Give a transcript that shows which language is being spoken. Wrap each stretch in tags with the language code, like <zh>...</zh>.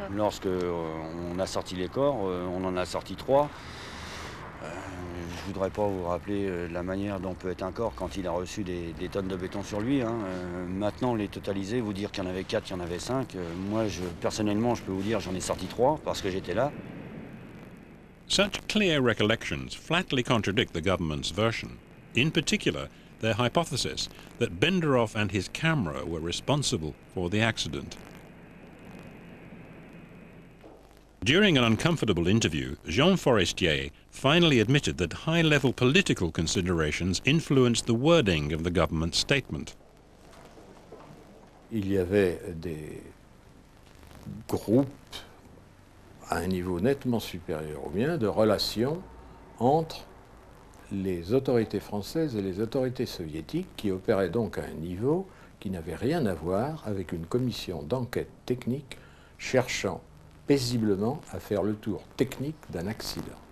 <fr>Lorsque on a sorti les corps, on en a sorti trois. Je ne voudrais pas vous rappeler la manière dont peut être un corps quand il a reçu des tonnes de béton sur lui. Hein. Maintenant, les totaliser, vous dire qu'il y en avait 4, qu'il y en avait 5. Moi, personnellement, je peux vous dire j'en ai sorti 3 parce que j'étais là.</fr> <en>Such clear recollections flatly contradict the government's version. In particular, their hypothesis that Benderov and his camera were responsible for the accident. During an uncomfortable interview, Jean Forestier finally admitted that high-level political considerations influenced the wording of the government statement.</en> <fr>Il y avait des groupes à un niveau nettement supérieur au mien de relations entre les autorités françaises et les autorités soviétiques qui opéraient donc à un niveau qui n'avait rien à voir avec une commission d'enquête technique cherchant paisiblement à faire le tour technique d'un accident.</fr>